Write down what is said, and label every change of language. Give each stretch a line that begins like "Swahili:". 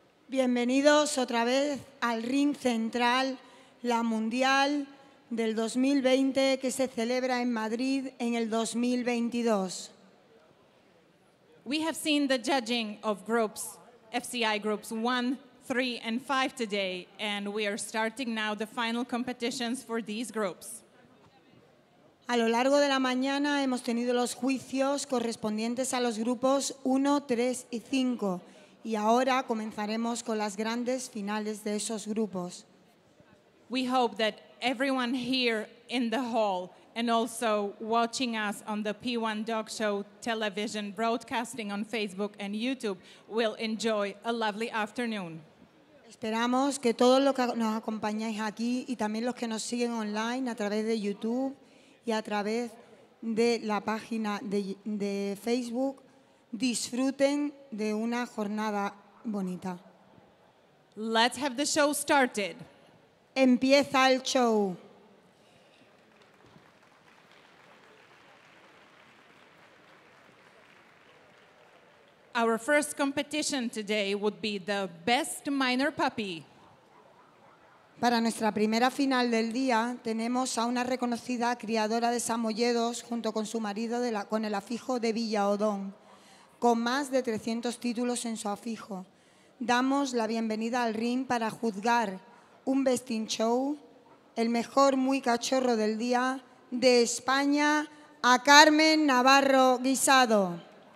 Spanish: Bienvenidos otra vez al ring central, la mundial del 2020 que se celebra en Madrid en el 2022.
English: We have seen the judging of groups, FCI groups 1, 3 and 5 today, and we are starting now the final competitions for these groups.
Spanish: A lo largo de la mañana hemos tenido los juicios correspondientes a los grupos 1, 3 y 5, y ahora comenzaremos con las grandes finales de esos grupos.
English: We hope that everyone here in the hall and also watching us on the P1 Dog Show television broadcasting on Facebook and YouTube will enjoy a lovely afternoon.
Spanish: Esperamos que todos los que nos acompañáis aquí y también los que nos siguen online a través de YouTube y a través de la página de Facebook disfruten de una jornada bonita.
English: Let's have the show started.
Spanish: Empieza el show.
English: Our first competition today would be the best minor puppy.
Spanish: Para nuestra primera final del día, tenemos a una reconocida criadora de samoyedos junto con su marido con el afijo de Villa Odón, con más de 300 títulos en su afijo. Damos la bienvenida al ring para juzgar un best in show, el mejor muy cachorro del día de España, a Carmen Navarro Guisado.